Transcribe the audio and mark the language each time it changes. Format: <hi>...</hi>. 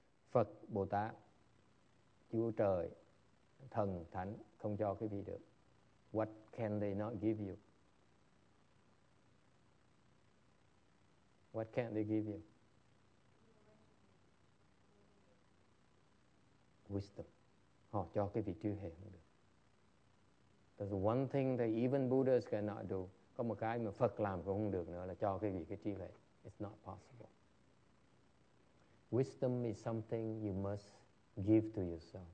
<vi>Phật, Bồ Tát, Chúa Trời, Thần, Thánh không cho quý vị được.</vi> <en>What can they not give you? What can they give you?</en> <vi>Wisdom. Họ cho quý vị trí huệ không được.</vi> <en>There's one thing that even Buddhas cannot do.</en> <vi>Có một cái mà Phật làm cũng không được nữa là cho quý vị cái trí huệ.</vi> <en>It's not possible. Wisdom is something you must give to yourself.</en>